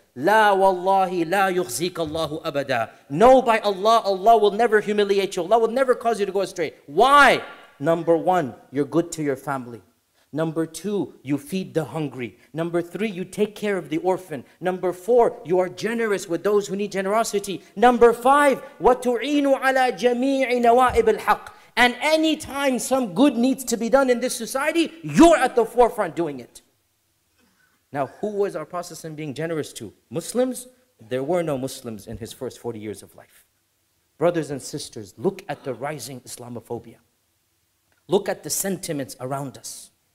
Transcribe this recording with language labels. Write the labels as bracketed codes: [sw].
[ar] La wallahi, la yukhzika Allahu abada. [en] No, by Allah, Allah will never humiliate you. Allah will never cause you to go astray. Why? Number one, you're good to your family. Number two, you feed the hungry. Number three, you take care of the orphan. Number four, you are generous with those who need generosity. Number five, [ar] وَتُعِينُ عَلَى جَمِيعِ نَوَائِبِ الْحَقِّ. [en] And anytime some good needs to be done in this society, you're at the forefront doing it. Now, who was our Prophet being generous to? Muslims? There were no Muslims in his first 40 years of life. Brothers and sisters, look at the rising Islamophobia. Look at the sentiments around us.